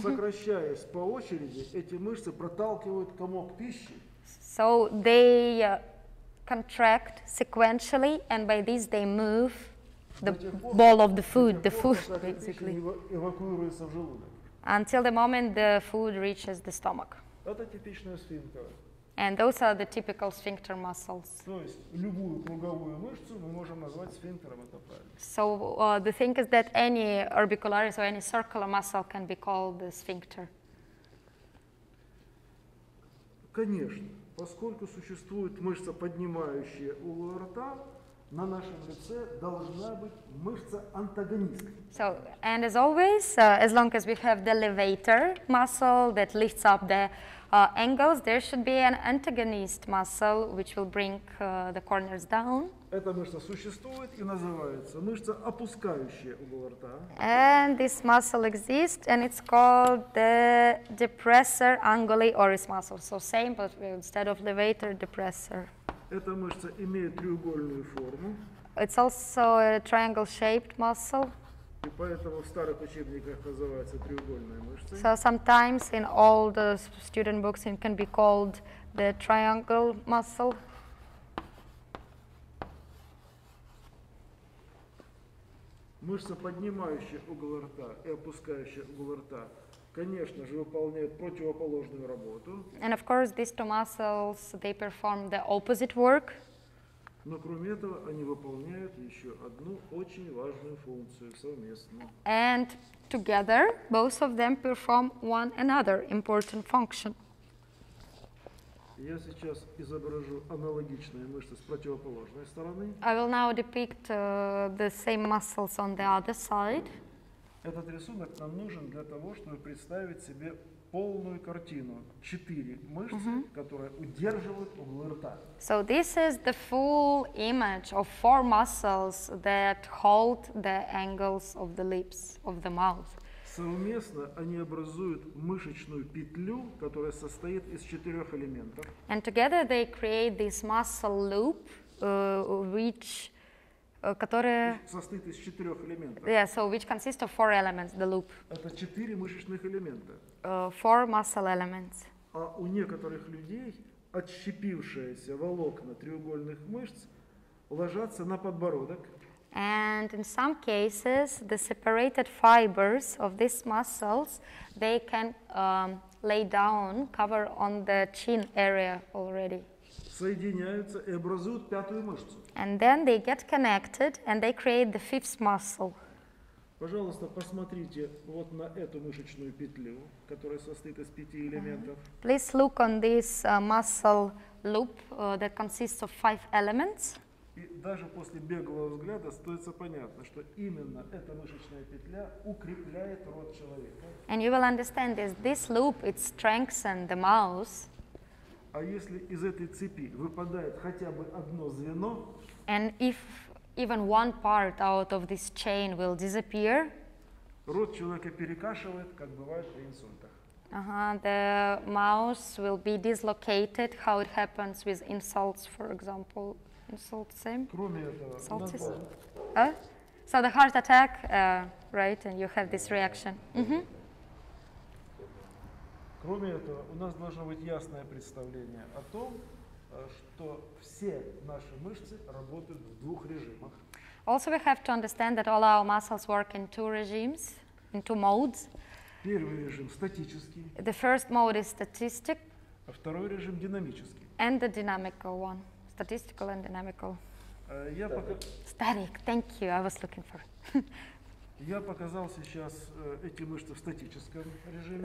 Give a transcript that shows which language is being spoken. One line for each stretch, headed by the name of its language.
Russian: Сокращаясь по очереди, эти мышцы проталкивают комок пищи.
English: So they contract sequentially, and by this they move. The ball of the food, the food, basically.
Russian: Эвакуируется в желудок.
English: Until the moment the food reaches the stomach.
Russian: Это типичные сфинктеры.
English: And those are the typical sphincter muscles.
Russian: То есть любую круговую мышцу мы можем назвать сфинктером, это правильно.
English: So the thing is that any orbicularis or any circular muscle can be called the sphincter.
Russian: Конечно, поскольку существует мышца, поднимающая угол рта, на нашем лице должна быть мышца антагонист.
English: So, and as always, as long as we have the levator muscle that lifts up the angles, there should be an antagonist muscle which will bring the corners down.
Russian: Эта мышца существует и называется мышца опускающая угол рта.
English: And this muscle exists and it's called the depressor anguli oris muscle. So same, but instead of levator, depressor.
Russian: Эта мышца имеет треугольную форму.
English: It's also a triangle-shaped muscle.
Russian: И поэтому в старых учебниках называется треугольная мышца.
English: So sometimes in all the student books it can be called the triangle muscle.
Russian: Мышца, поднимающая угол рта и опускающая угол рта, конечно же, выполняет противоположную работу.
English: And of course these two muscles, they perform the opposite work.
Russian: Но кроме этого они выполняют еще одну очень важную функцию совместно.
English: And together, both of them perform one another important function.
Russian: Я сейчас изображу аналогичные мышцы с противоположной стороны.
English: I will now depict the same muscles on the other side.
Russian: Этот рисунок нам нужен для того, чтобы представить себе полную картину. Четыре мышцы, которые удерживают углы рта.
English: So this is the full image of four muscles that hold the angles of the lips, of the mouth.
Russian: Совместно они образуют мышечную петлю, которая состоит из четырех элементов.
English: And together they create this muscle loop, which...
Russian: которая состоит из четырех элементов.
English: Yeah, so which consists of four elements, the loop.
Russian: Это четыре мышечных элемента.
English: Four muscle elements.
Russian: А у некоторых людей отщепившиеся волокна треугольных мышц ложатся на подбородок.
English: And in some cases, the separated fibers of these muscles, they can lay down, cover on the chin area already.
Russian: Соединяются и образуют пятую мышцу.
English: And then they get connected and they create the fifth muscle.
Russian: Пожалуйста, посмотрите вот на эту мышечную петлю, которая состоит из пяти элементов.
English: Please look on this muscle loop that consists of five elements.
Russian: И даже после беглого взгляда становится понятно, что именно эта мышечная петля укрепляет рот человека.
English: And you will understand this. This loop, it strengthens the mouth.
Russian: А если из этой цепи выпадает хотя бы одно звено,
English: and if even one part out of this chain will disappear,
Russian: рот человека перекашивает, как бывает при инсультах.
English: The mouth will be dislocated, how it happens with insults, for example. Insults, same?
Russian: Кроме этого,
English: insults is... So the heart attack, right, and you have this reaction. Mm-hmm.
Russian: Кроме этого, у нас должно быть ясное представление о том, что все наши мышцы работают в двух режимах.
English: Also, we have to understand that all our muscles work in two regimes, in two modes.
Russian: Первый режим статический.
English: The first mode is statistic.
Russian: А второй режим динамический.
English: And the dynamical one, statistical and dynamical.
Russian: Я пока...
English: Static. Thank you. I was looking for.
Russian: Я показал сейчас эти мышцы в статическом режиме.